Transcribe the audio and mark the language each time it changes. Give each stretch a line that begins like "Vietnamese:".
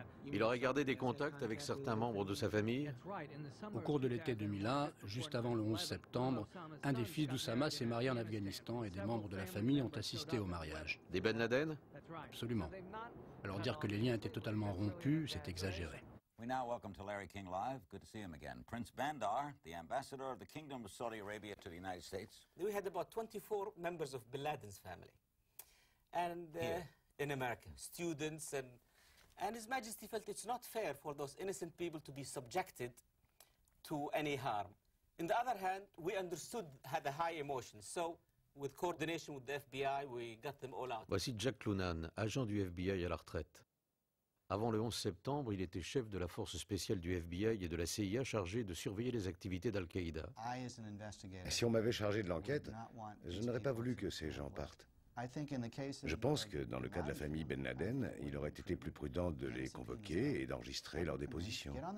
French: Il aurait gardé des contacts avec certains membres de sa famille. Au cours de l'été 2001, juste avant le 11 septembre, un des fils d'Oussama s'est marié en Afghanistan et des membres de la famille ont assisté au mariage. Des Ben Laden? Absolument. Alors dire que les liens étaient totalement rompus, c'est exagéré.
English: We now welcome to Larry King live. Good to see him again. Prince Bandar, the ambassador of the Kingdom of Saudi Arabia to the United States. We had about 24 members of Bin Laden's family. And in America, students and His Majesty felt it's not fair for those innocent people to be subjected to any harm. On the other hand, we understood had a high emotion. So with coordination with the FBI, we got them all out.
French: Voici Jack Clunan, agent du FBI à la retraite. Avant le 11 septembre, il était chef de la force spéciale du FBI et de la CIA chargée de surveiller les activités d'Al-Qaïda. Si on m'avait chargé de l'enquête, je n'aurais pas voulu que ces gens partent. Je pense que dans le cas de la famille Ben Laden, il aurait été plus prudent de les convoquer et d'enregistrer leur déposition.